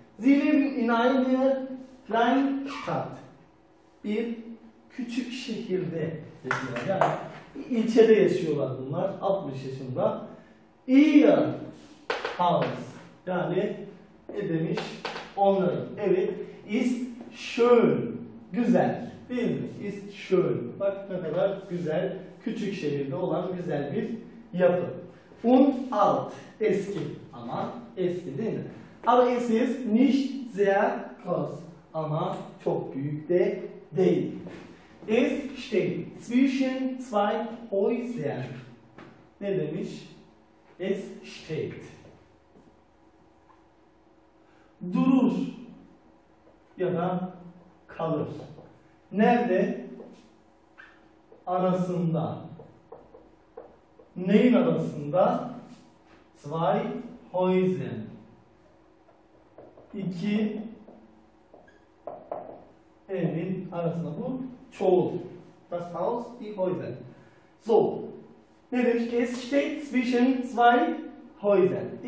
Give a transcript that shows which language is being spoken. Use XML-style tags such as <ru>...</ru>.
<de>Sie leben in einer Kleinstadt.</de> <tr>Bir küçük şehirde yaşıyorlar. Yani ilçede yaşıyorlar bunlar 60 yaşında.</tr> <de>Ihr Haus.</de> <tr>Yani ne demiş? Onların evi</tr> <de>ist schön.</de> <tr>Güzel. Değil mi?</tr> <de>Ist schön.</de> <tr>Bak ne kadar güzel. Küçük şehirde olan güzel bir yapı.</tr> <de>Und alt.</de> <tr>Eski. Ama eski değil mi?</tr> <de>Aber es ist nicht sehr groß.</de> <tr>Ama çok büyük de değil.</tr> <de>Es steht zwischen zwei Häusern.</de> <tr>Ne demiş?</tr> <de>Es steht.</de> <tr>Durur. Ya da kalır. Nerede? Arasında. Neyin arasında?</tr> <de>Zwei Häusern.</de> <tr>İki evin arasında bu çoğul.</tr> <de>Das Haus, die Häuser. So.</de> <tr>Ne demiş?</tr> <de>Es steht zwischen zwei Häusern.</de>